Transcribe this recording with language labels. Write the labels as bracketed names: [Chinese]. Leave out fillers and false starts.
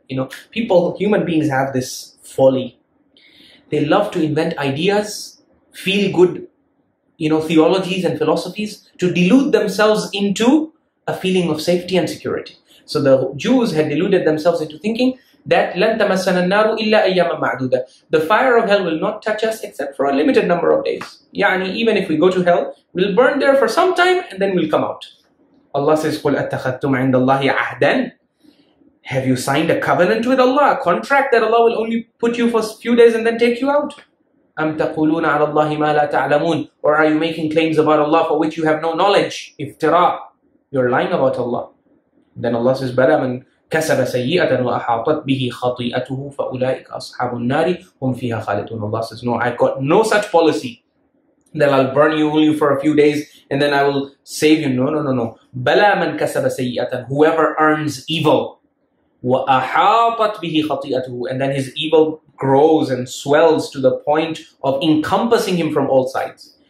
[English] You know, people, human beings have this folly. They love to invent ideas, feel good, you know, theologies and philosophies to delude themselves into a feeling of safety and security. So the Jews had deluded themselves into thinking that [Arabic] لَن تَمَسَّنَ النَّارُ إِلَّا أَيَّامًا مَعْدُودَةً. [English] The fire of hell will not touch us except for a limited number of days. يعني, even if we go to hell, we'll burn there for some time and then we'll come out. [Arabic] Allah says, قُلْ أَتَّخَذْتُمْ عِنْدَ اللَّهِ عَهْدًا. [English] Have you signed a covenant with Allah, a contract that Allah will only put you for a few days and then take you out? [Arabic] أَمْ تَقُولُونَ عَلَى اللَّهِ مَا لَا تَعْلَمُونَ. [English] Or are you making claims about Allah for which you have no knowledge? Iftira. You're lying about Allah. [Arabic] Then Allah says, بَلَا مَنْ كَسَبَ سَيِّئَةً وَأَحَاطَتْ بِهِ خَطِيئَتُهُ فَأُولَئِكَ أَصْحَابُ النَّارِ هُمْ فِيهَا خَالِدُونَ. [English] Allah says, no, I got no such policy that I'll burn you only for a few days and then I will save you. No. بَلَا مَنْ كَسَبَ سَيِّئَةً. Whoever earns evil. [Arabic] وَأَحَاطَتْ بِهِ خَطِيئَتُهُ. [English] And then his evil grows and swells to the point of encompassing him from all sides.